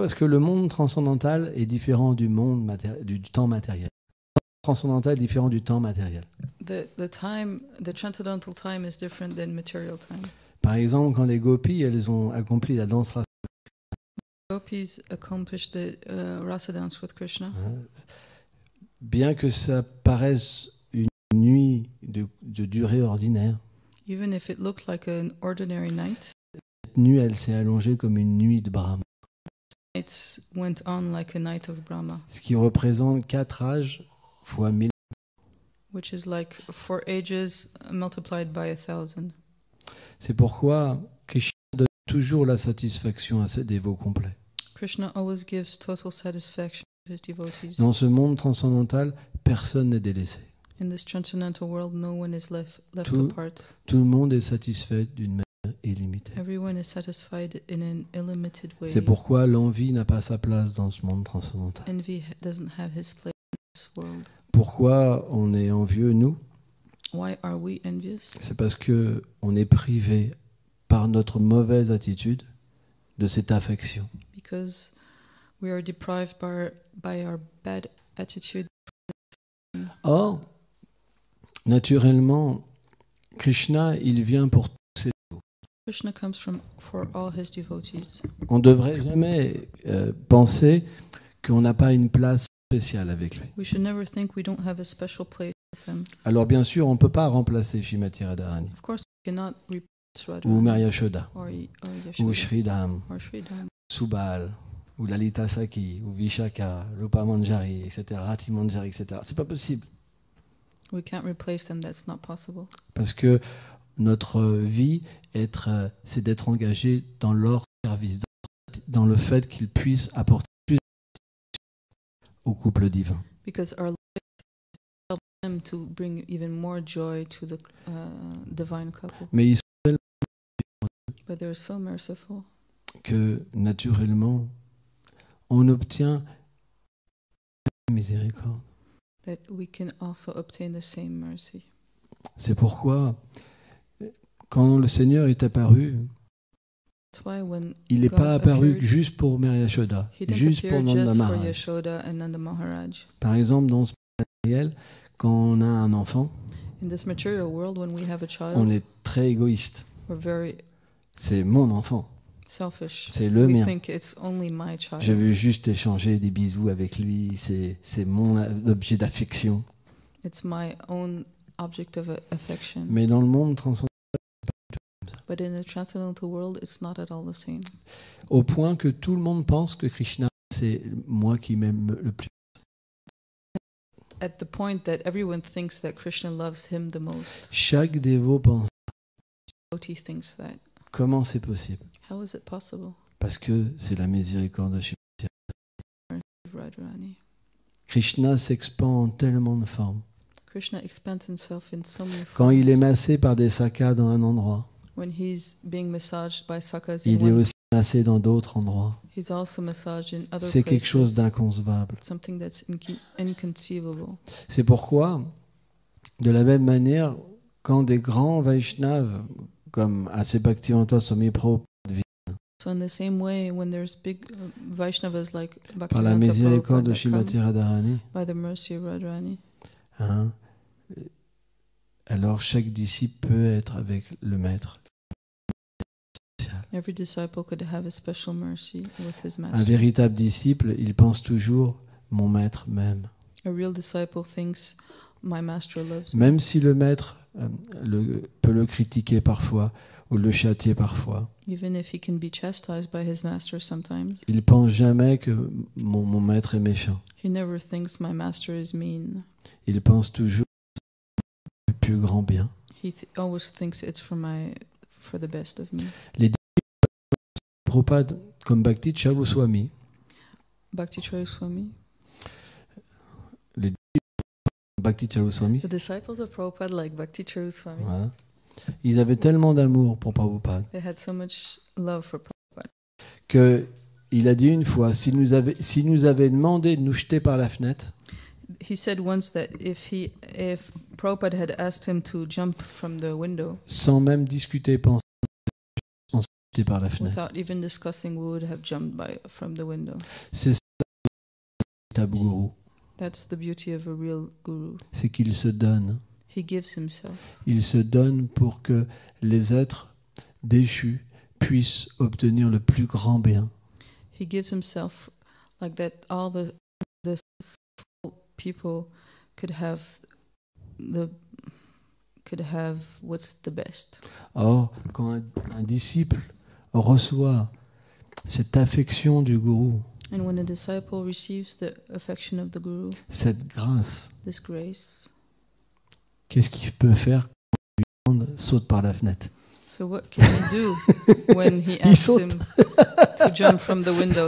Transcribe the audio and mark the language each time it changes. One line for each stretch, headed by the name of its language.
French: Parce que le monde transcendantal est différent du monde du temps matériel. Le monde transcendantal est différent du temps matériel.
English: The transcendental time is different than material time.
French: Par exemple, quand les gopis elles ont accompli la danse rasa.
English: Gopis accomplished the rasa dance with Krishna.
French: Bien que ça paraisse une nuit de durée ordinaire.
English: Even if it looked like an ordinary night.
French: Cette nuit elle s'est allongée comme une nuit de Brahma.
English: It went on like a night of Brahma.
French: Ce qui représente quatre âges fois mille.
English: Which is like four ages multiplied by a thousand.
French: C'est pourquoi Krishna donne toujours la satisfaction à ses dévots complets.
English: Krishna always gives total satisfaction to his devotees.
French: Dans ce monde transcendantal, personne n'est délaissé.
English: In this transcendental world, no one is left apart.
French: Tout le monde est satisfait d'une manière. Illimité.
English: Everyone is satisfied in an illimited way.
French: C'est pourquoi l'envie n'a pas sa place dans ce monde transcendantal.
English: Envy doesn't have his place in this world.
French: Pourquoi on est envieux, nous?
English: Why are we envious?
French: C'est parce qu'on est privé par notre mauvaise attitude de cette affection.
English: Because we are deprived by our bad attitude.
French: Or, naturellement, Krishna, il vient pour
English: Krishna comes from for all his devotees.
French: On ne devrait jamais penser qu'on n'a pas une place spéciale avec lui.
English: We should never think we don't have a special place with him.
French: Alors bien sûr, on ne peut pas remplacer Srimati Radharani.
English: Of course, we cannot replace Radharani.
French: Ou Mary Yashoda. Ou Shridham.
English: Or Shridham.
French: Subal. Ou Lalita Sakhi. Ou Vishaka. Lupa Manjari, etc. Rati Manjari, etc. C'est pas possible.
English: We can't replace them. That's not possible.
French: Parce que notre vie, c'est d'être engagé dans leur service, dans le fait qu'ils puissent apporter plus au couple divin.
English: Because our life helps them to bring even more joy to the divine couple.
French: Mais ils sont tellement
English: But they are so merciful.
French: Que naturellement, on obtient la même miséricorde.
English: That we can also obtain the same mercy.
French: C'est pourquoi quand le Seigneur est apparu, il n'est pas apparu juste pour Mary Yashoda, juste pour Nanda Maharaj. Par exemple, dans ce matériel, quand on a un enfant,
English: world, child,
French: on est très égoïste.
English: Very
French: c'est mon enfant.
English: Selfish.
French: C'est le
English: we
French: mien.
English: Think it's only my child.
French: Je veux juste échanger des bisous avec lui. C'est mon objet d'affection.
English: It's my own object of affection.
French: Mais dans le monde transcendant,
English: but in the transcendental world, it's not at all the same.
French: Au point que tout le monde pense que Krishna, c'est moi qui m'aime le plus.
English: At the point that everyone thinks that Krishna loves him the most.
French: Chaque dévot pense.
English: Devotee thinks that.
French: Comment c'est possible?
English: How is it possible?
French: Parce que c'est la miséricorde de Shri Radharani. Krishna s'expand en tellement de formes.
English: Krishna expands himself in so many forms.
French: Quand il est massé par des sakas dans un endroit.
English: When he's being massaged by sakas,
French: il est aussi massé dans d'autres endroits.
English: He's also massaged in other
French: c'est
English: places.
French: Quelque chose d'inconcevable.
English: Something that's inconceivable.
French: C'est pourquoi, de la même manière, quand des grands Vaishnavas comme Asebhaktivanta Swami Prabhupada viennent,
English: so in the same way, when there's big Vaishnavas like
French: par la miséricorde de Srimati Radharani,
English: by the mercy of Radharani,
French: hein, alors chaque disciple peut être avec le maître.
English: Every disciple could have a special mercy with his master.
French: Un véritable disciple, il pense toujours mon maître m'aime.
English: A real disciple thinks my master loves me.
French: Même si le maître peut le critiquer parfois ou le châtier parfois.
English: Even if he can be chastised by his master sometimes.
French: Il pense jamais que mon maître est méchant.
English: He never thinks my master is mean.
French: Il pense toujours plus grand bien.
English: He always thinks it's for the best of me.
French: Les disciples Prabhupada comme Bhakti Charu Swami. Bhakti Charu Swami. Les disciples Bhakti Charu Swami.
English: The disciples of Prabhupada like Bhakti Charu Swami.
French: Voilà. Ils avaient tellement d'amour pour Prabhupada.
English: They had so much love for Prabhupada.
French: Que il a dit une fois, s'il nous avait demandé de nous jeter par la fenêtre.
English: He said once that if Prabhupada had asked him to jump from the window.
French: Sans même discuter, on s'est jeté par la fenêtre.
English: Without even discussing, we would have jumped from the window.
French: C'est ça, ta guru.
English: That's the beauty of a real guru.
French: C'est qu'il se donne.
English: He gives himself.
French: Il se donne pour que les êtres déchus puissent obtenir le plus grand bien.
English: He gives himself like that all the people could have what's the best.
French: Or, quand un disciple reçoit cette affection du gourou.
English: And when a disciple receives the affection of the guru.
French: Cette grâce.
English: This grace.
French: Qu'est-ce qu'il peut faire quand lui demande saute par la fenêtre? So what can he do when he asks him to jump from the window?